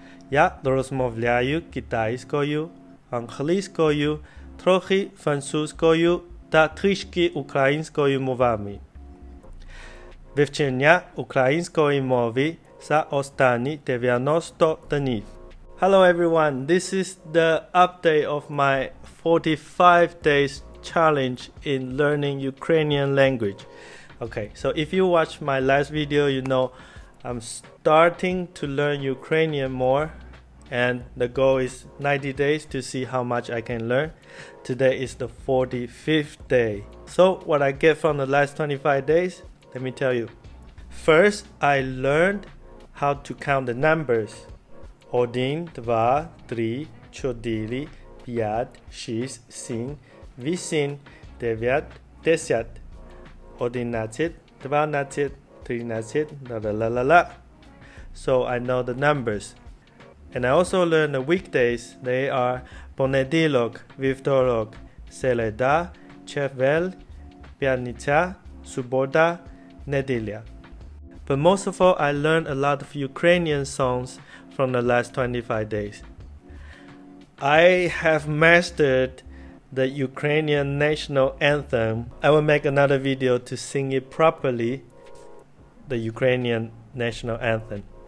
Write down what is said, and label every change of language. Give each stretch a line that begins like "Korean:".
Ukrainian: Я розмовляю китайською, англійською, трохи французькою та трішки українською мовами. Вивчення української мови за останні 90 днів.
English: Hello everyone, this is the update of my 45 days challenge in learning Ukrainian language. Okay, so if you watch my last video, you know I'm starting to learn Ukrainian more. And the goal is 90 days to see how much I can learn. Today is the 45th day. So what I get from the last 25 days, let me tell you. First, I learned how to count the numbers.
Ukrainian: Один, два, три, чотири, п'ять, шість, сім, вісім, дев'ять, десять. Одинадцять, дванадцять, тринадцять, ла-ла-ла-ла-ла.
English: So I know the numbers. And I also learned the weekdays. They are
Ukrainian: понеділок, вівторок, середа, четвер, п'ятниця, субота, неділя.
English: But most of all, I learned a lot of Ukrainian songs from the last 25 days. I have mastered the Ukrainian national anthem. I will make another video to sing it properly, the Ukrainian national anthem.